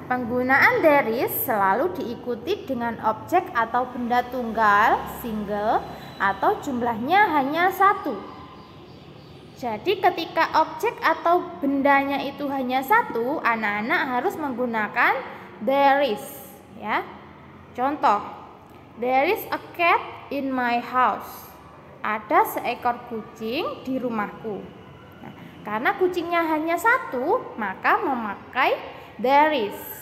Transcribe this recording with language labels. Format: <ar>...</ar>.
<id>Penggunaan</id> <en>there is</en> <id>selalu diikuti dengan objek atau benda tunggal,</id> <en>single,</en> <id>atau jumlahnya hanya satu. Jadi ketika objek atau bendanya itu hanya satu, anak-anak harus menggunakan</id> <en>there is,</en> <id>ya. Contoh,</id> <en>there is a cat in my house.</en> <id>Ada seekor kucing di rumahku. Nah, karena kucingnya hanya satu, maka memakai</id> <en>there is.</en>